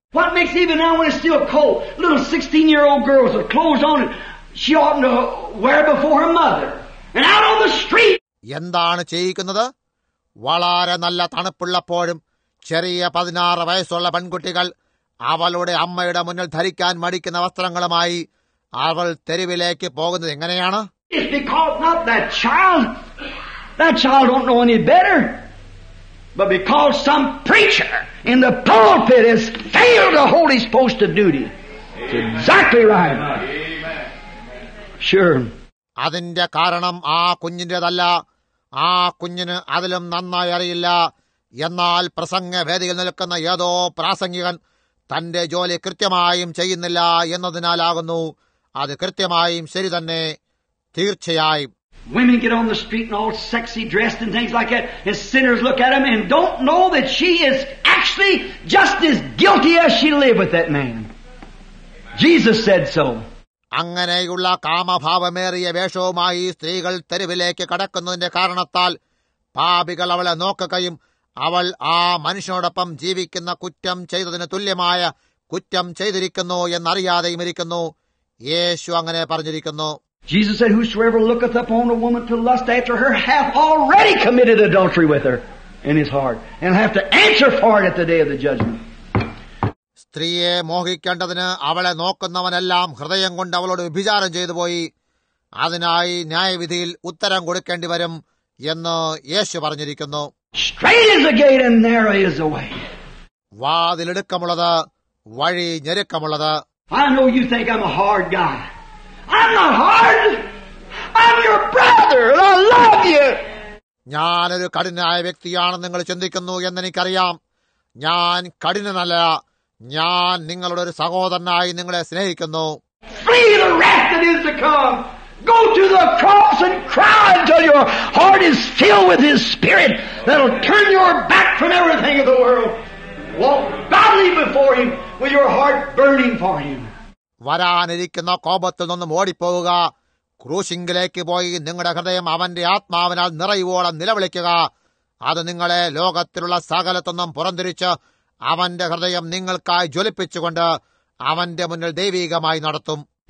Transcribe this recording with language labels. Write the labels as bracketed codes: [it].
[en] What makes even now when it's still cold, little 16-year-old girls with clothes on she oughtn't to wear before her mother and out on the street? [ml] എന്താണ് ചെയ്യിക്കുന്നത്? വളരെ നല്ല തണുപ്പുള്ളപ്പോഴും ചെറിയ 16 വയസ്സുള്ള പെൺകുട്ടികൾ അവളുടെ അമ്മയുടെ മുന്നിൽ ധരിക്കാൻ മടിക്കുന്ന വസ്ത്രങ്ങളുമായി അവൾ തെരുവിലേക്ക് പോകുന്നത് എങ്ങനെയാണ്? [en] It's because not that child don't know any better, but because some preacher in the pulpit has failed to hold his post of duty. It's exactly right. Amen. Sure. [ml] അതിന്റെ കാരണം ആ കുഞ്ഞിന്റേതല്ല. ആ കുഞ്ഞിന് അതിലും നന്നായി അറിയില്ല. എന്നാൽ പ്രസംഗവേദിയിൽ നിൽക്കുന്ന ഏതോ പ്രാസംഗികൻ തന്റെ ജോലി കൃത്യമായും ചെയ്യുന്നില്ല എന്നതിനാലാകുന്നു അത്. കൃത്യമായും ശരി തന്നെ. തീർച്ചയായും [en] women get on the street and all sexy dressed and things like that and sinners look at them and don't know that she is actually just as guilty as she lived with that man. Jesus said so. [ml] അങ്ങനെയുള്ള കാമഭാവമേറിയ വേഷവുമായി സ്ത്രീകൾ തെരുവിലേക്ക് കടക്കുന്നതിന്റെ കാരണത്താൽ പാപികൾ അവളെ നോക്കുകയും അവൾ ആ മനുഷ്യനോടൊപ്പം ജീവിക്കുന്ന കുറ്റം ചെയ്തതിന് തുല്യമായ കുറ്റം ചെയ്തിരിക്കുന്നു എന്നറിയാതെയും ഇരിക്കുന്നു. യേശു അങ്ങനെ പറഞ്ഞിരിക്കുന്നു. [en] Jesus said, whosoever looketh upon a woman to lust after her hath already committed adultery with her in his heart and have to answer for it at the day of the judgment. [ml] സ്ത്രീയെ മോഹിക്കേണ്ടതിന് അവളെ നോക്കുന്നവനെല്ലാം ഹൃദയം കൊണ്ട് അവളോട് വ്യഭിചാരം ചെയ്തുപോയി. അതിനായി ന്യായവിധിയിൽ ഉത്തരം കൊടുക്കേണ്ടി വരും എന്ന് യേശു പറഞ്ഞിരിക്കുന്നു. [en] Straight is the gate and narrow is the way. [ml] വാതിലെടുക്കമുള്ളത് വഴി ഞെരുക്കമുള്ളത്. [en] I know you think I'm a hard guy. I'm not hard. I'm your brother and I love you. [ml] ഞാനൊരു കഠിനനായ വ്യക്തിയാണെന്ന് നിങ്ങൾ ചിന്തിക്കുന്നു എന്നെനിക്കറിയാം. ഞാൻ കഠിനനല്ല. ഞാൻ നിങ്ങളുടെ ഒരു സഹോദരനായി നിങ്ങളെ സ്നേഹിക്കുന്നു. [en] Free the wrath that is to come. Go to the cross and cry until your heart is filled with his spirit that'll turn your back from everything of the world. Walk godly before him with your heart burning for him. [ml] വരാനിരിക്കുന്ന കോപത്തിൽ നിന്നും ഓടിപ്പോവുക. ക്രൂശിങ്കിലേക്ക് പോയി നിങ്ങളുടെ ഹൃദയം അവന്റെ ആത്മാവിനാൽ നിറയുവോളം നിലവിളിക്കുക. അത് നിങ്ങളെ ലോകത്തിലുള്ള സകലത്തൊന്നും പുറന്തിരിച്ച് അവന്റെ ഹൃദയം നിങ്ങൾക്കായി ജ്വലിപ്പിച്ചുകൊണ്ട് അവന്റെ മുന്നിൽ ദൈവീകമായി നടത്തും.